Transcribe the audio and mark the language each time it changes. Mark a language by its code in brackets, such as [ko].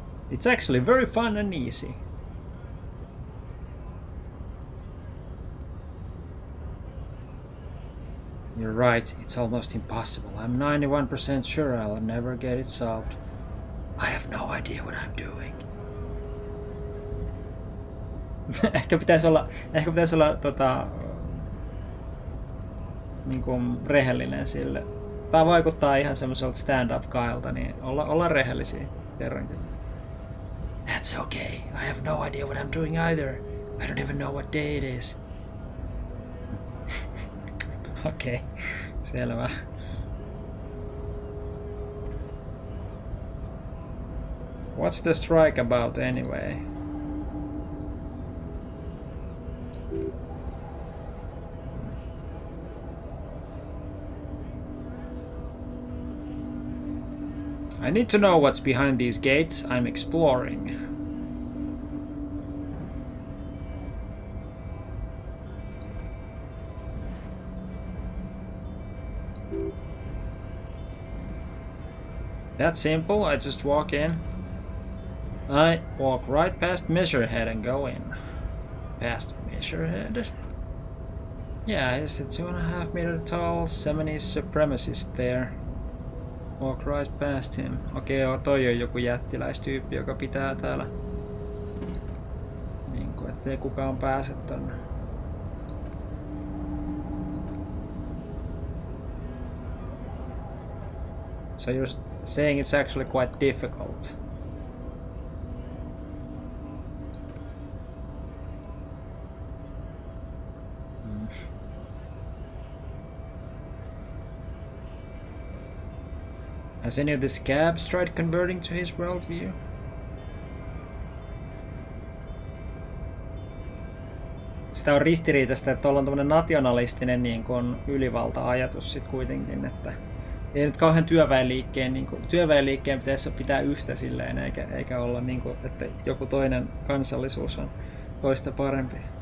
[en] It's actually very fun and easy. You're right, it's almost impossible. I'm 91% sure I'll never get it solved. I have no idea what I'm doing. [fi] ehkä pitäisi olla tota, niin kuin rehellinen sille. Tää vaikuttaa ihan semmoiselta stand-up guylta, niin olla rehellisiä kerrankin. [en] That's okay. I have no idea what I'm doing either. I don't even know what day it is. [fi] Okei, selvä. [en] What's the strike about anyway? I need to know what's behind these gates I'm exploring. That simple, I just walk in. I walk right past Measurehead and go in. Past Measurehead? Yeah, it's a 2.5 meter tall 70s supremacist there. Walk right past him. [fi] Okei, okay, toi on joku jättiläistyyppi, joka pitää täällä. Niinku, ettei kukaan pääse tonne. [en] So you're saying it's actually quite difficult. Has any of the scabs tried converting to his worldview? [fi] Sitä on ristiriitaista, että tuolla on tämmönen nationalistinen niin kuin ylivalta-ajatus sit kuitenkin, että ei nyt kauhean työväenliikkeen, niin kuin, työväenliikkeen pitäisi pitää yhtä silleen, eikä olla niin kuin, että joku toinen kansallisuus on toista parempi.